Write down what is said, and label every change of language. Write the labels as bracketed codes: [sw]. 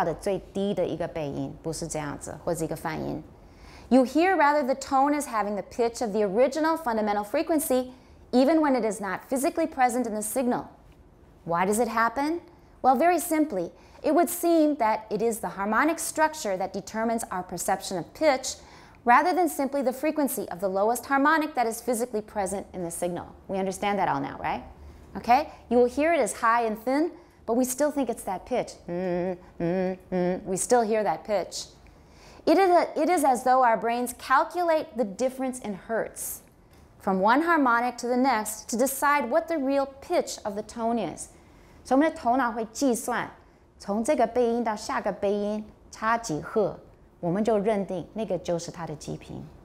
[zh] 我们认定的那个音高并不是根据我们所听到的最低的一个背音，不是这样子，或是一个泛音。 [en] You hear rather the tone as having the pitch of the original fundamental frequency even when it is not physically present in the signal. Why does it happen? Well, very simply, it would seem that it is the harmonic structure that determines our perception of pitch rather than simply the frequency of the lowest harmonic that is physically present in the signal. We understand that all now, right? Okay, you will hear it as high and thin, but we still think it's that pitch. We still hear that pitch. It is as though our brains calculate the difference in hertz from one harmonic to the next to decide what the real pitch of the tone is. [zh] So 我们的头脑会计算，从这个背音到下个背音差几赫，我们就认定那个就是它的基频。